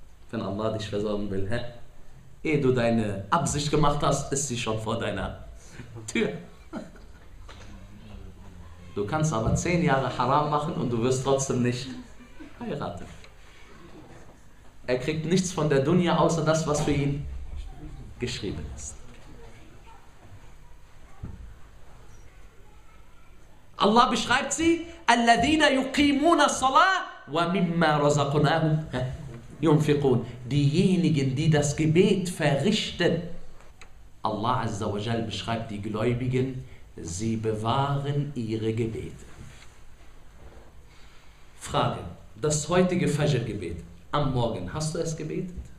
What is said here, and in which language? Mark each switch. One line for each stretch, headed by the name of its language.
German: Wenn Allah dich versorgen will, hä? Ehe du deine Absicht gemacht hast, ist sie schon vor deiner Tür. Du kannst aber 10 Jahre Haram machen und du wirst trotzdem nicht heiraten. Er kriegt nichts von der Dunya außer das, was für ihn geschrieben ist. Allah beschreibt sie:
Arabic: الَّذِينَ يُقِيمُونَ الصَّلَاةَ وَمِمَّا رَزَقُنَاهُمْ يُنْفِقُونَ.
German: Diejenigen, die das Gebet verrichten. Allah Azza wa Jal beschreibt die Gläubigen, sie bewahren ihre Gebete. Frage: Das heutige Fajr-Gebet am Morgen, hast du es gebetet?